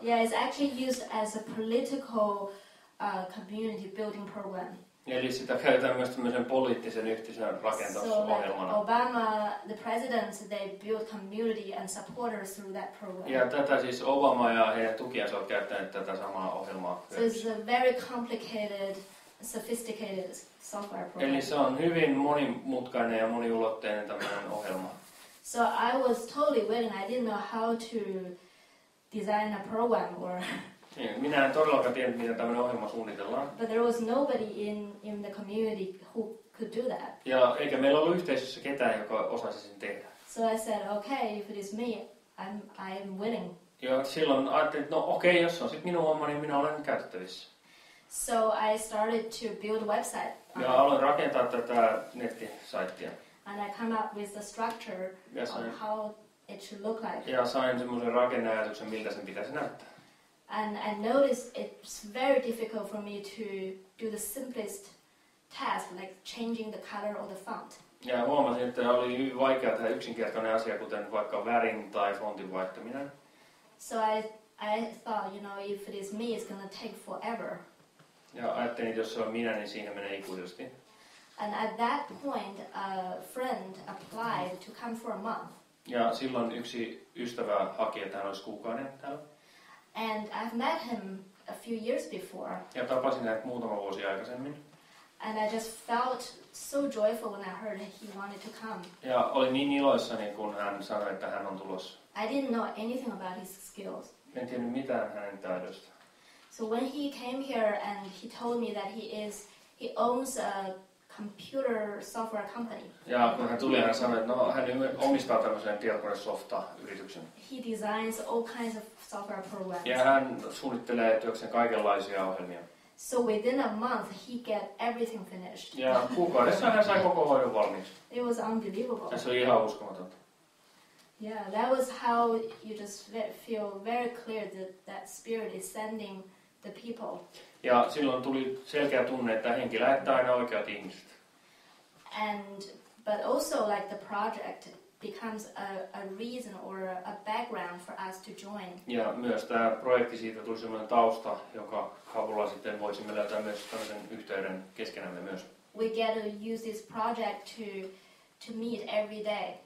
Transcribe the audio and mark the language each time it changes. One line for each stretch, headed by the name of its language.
English: Yeah, it's actually used as a political community building program.
Finnish: Eli sitä käytetään myös tämmöisen poliittisen yhteisön rakentamisohjelmana.
English: So Obama, the president, they build community and supporters through that program.
Finnish: Ja tätä siis Obama ja heidän tukijansa ovat käyttäneet tätä samaa ohjelmaa.
English: So it's a very complicated, sophisticated software program.
Finnish: Eli se on hyvin monimutkainen ja moniulotteinen tämmöinen ohjelma.
English: So I was totally willing. I didn't know how to design a program or...
Finnish: Minä en todellakaan tiennyt, miten tämmöinen ohjelma suunnitellaan.
English: But there was nobody in the community who could do that.
Finnish: Ja eikä meillä ollut yhteisössä ketään, joka osaisi sen tehdä.
English: So I said, okay, if it is me, I'm willing.
Finnish: Ja silloin ajattelin, että no okay, jos on sit minun oma, niin minä olen käytettävissä.
English: So I started to build a website.
Finnish: Ja aloin rakentaa tätä nettisaittia.
English: And I come up with the structure on how it should look like.
Finnish: Ja sain semmoisen rakenneajatuksen, miltä sen pitäisi näyttää.
English: And I noticed it's very difficult for me to do the simplest task, like changing the color or the font.
Finnish: Ja huomasin, että oli hyvin vaikea tehdä yksinkertainen asia, kuten vaikka värin tai fontin vaihtaminen.
English: So I thought, you know, if it is me, it's gonna take forever.
Finnish: Ja ajattelin, että jos se on minä, niin siinä menee ikuisesti.
English: And at that point, a friend applied to come for a month.
Finnish: Ja silloin yksi ystävä haki, että hän olisi kuukauden täällä.
English: And I've met him a few years before.
Finnish: Ja tapasin hänet muutama vuosi aikaisemmin.
English: And I just felt so joyful when I heard he wanted to come.
Finnish: Ja olin niin iloissani, kun hän sanoi, että hän on tulossa.
English: I didn't know anything about his skills.
Finnish: En tiennyt mitään hänen taidosta.
English: So when he came here and he told me that he owns a computer software company.
Finnish: Ja kun hän tuli, hän sanoi, että no, hän omistaa tämmöisen tietokonesofta-yrityksen.
English: He designs all kinds of software programs.
Finnish: Ja hän suunnittelee työkseen kaikenlaisia ohjelmia.
English: So within a month he get everything finished.
Finnish: Ja kuukaudessa hän sai koko hoidon valmiiksi.
English: It was unbelievable.
Finnish: Ja se oli ihan uskomatonta.
English: Yeah, that was how you just feel very clear that spirit is sending the people.
Finnish: Ja silloin tuli selkeä tunne, että henki lähettää aina oikeat ihmiset.
English: And but also like the project becomes a reason or a background for us to join.
Finnish: Ja myös tämä projekti, siitä tuli semmoinen tausta, joka avulla sitten voisimme löytää myös tämmöisen yhteyden keskenämme myös.
English: We get to use this project to meet every day.